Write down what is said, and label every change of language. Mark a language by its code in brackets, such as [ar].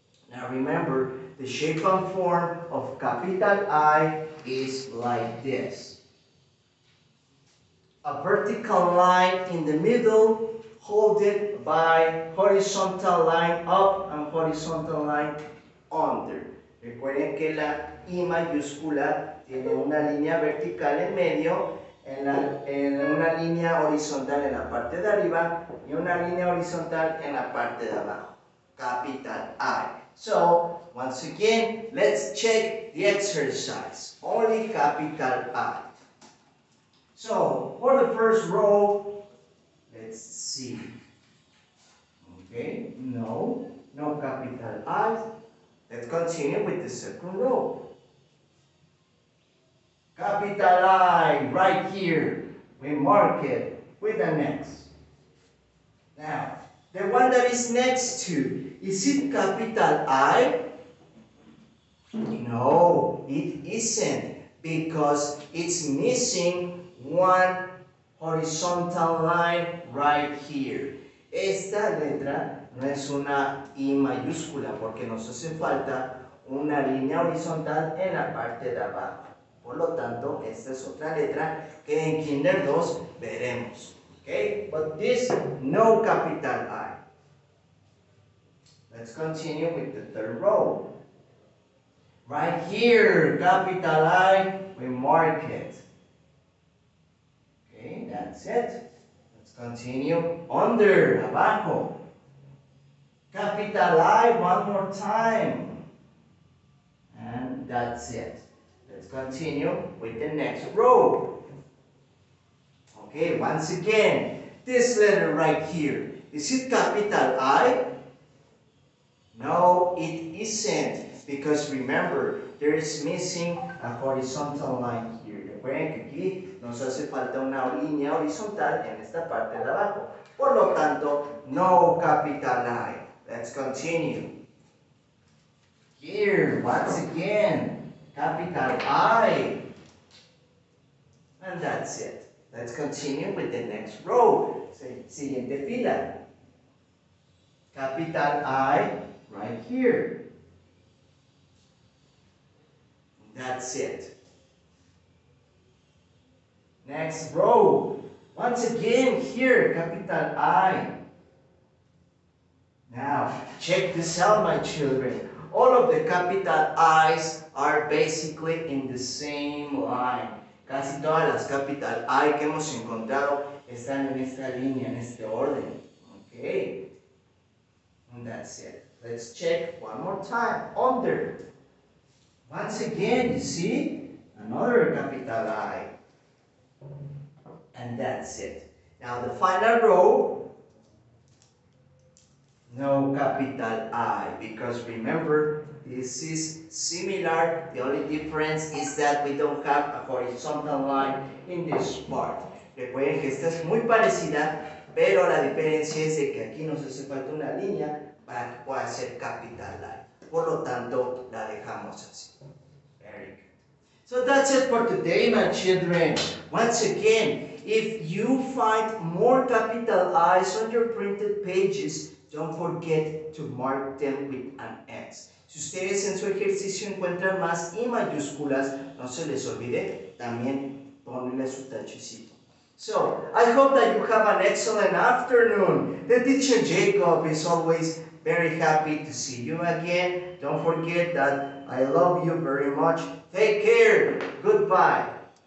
[en] Now remember, the shape and form of capital I is like this. A vertical line in the middle, holded by horizontal line up and horizontal line under. [es] Recuerden que la I mayúscula tiene una línea vertical en medio, en una línea horizontal en la parte de arriba y una línea horizontal en la parte de abajo. [en] Capital I. So, once again, let's check the exercise. Only capital I. So, for the first row, let's see. Okay, no, no capital I. Let's continue with the second row. Capital I, right here. We mark it with an X. Now, the one that is next to, is it capital I? No, it isn't, because it's missing one horizontal line right here. [es] Esta letra no es una I mayúscula porque nos hace falta una línea horizontal en la parte de abajo. Por lo tanto, esta es otra letra que en Kinder 2 veremos. [en] Okay? But this, no capital I. Let's continue with the third row. Right here, capital I, we mark it. Okay, that's it. Let's continue. Under, abajo. Capital I, one more time. And that's it. Let's continue with the next row. Okay, once again, this letter right here, is it capital I? No, it isn't. Because remember, there is missing a horizontal line here. [es] Recuerden que aquí nos hace falta una línea horizontal en esta parte de abajo. Por lo tanto, no [en] capital I. Let's continue. Here, once again, capital I. And that's it. Let's continue with the next row. [es] Siguiente fila. [en] Capital I, right here. That's it. Next row. Once again, here, capital I. Now, check this out, my children. All of the capital I's are basically in the same line. [es] Casi todas las capital I que hemos encontrado están en esta línea, en este orden. [en] Okay. And that's it. Let's check one more time. Under. Once again, you see? Another capital I. And that's it. Now, the final row. No capital I, because remember, this is similar. The only difference is that we don't have a horizontal line in this part. [es] Recuerden que esta es muy parecida, pero la diferencia es de que aquí nos hace falta una línea para que pueda ser capital I. Por lo tanto, la dejamos así. [en] Very good. So that's it for today, my children. Once again, if you find more capital I's on your printed pages, don't forget to mark them with an X. [es] Si ustedes en su ejercicio encuentran más I mayúsculas, no se les olvide, también ponle su tachecito. [en] So, I hope that you have an excellent afternoon. The teacher Jacob is always very happy to see you again. Don't forget that I love you very much. Take care. Goodbye.